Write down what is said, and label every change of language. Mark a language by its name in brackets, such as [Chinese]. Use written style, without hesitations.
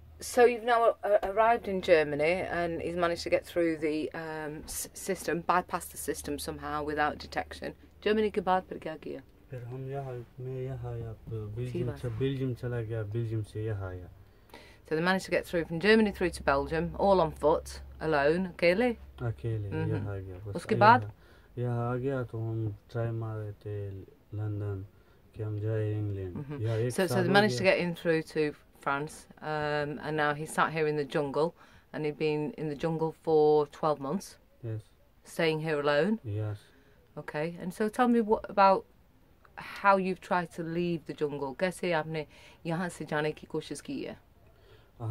[English] So you've now arrived in Germany and he's managed to get through the system, bypass the system somehow without detection. [Hindi] Germany ke baad phir kya kiya? फिर हम यहाँ मैं यहाँ आया Belgium से Belgium चला गया Belgium से यहाँ आया [English] So they managed to get through from Germany through to Belgium, all on foot, alone, [Hindi] अकेले अकेले यहाँ आ गया उसके बाद यहाँ आ गया तो हम ट्राई मार रहे थे लंदन कि हम जाए England [English] So they managed to get in through to France and now he sat here in the jungle and he'd been in the jungle for 12 months yes staying here alone yes okay and so tell me what about how you've tried to leave the jungle [Hindi] kaise aapne yahan se jaane ki koshish ki hai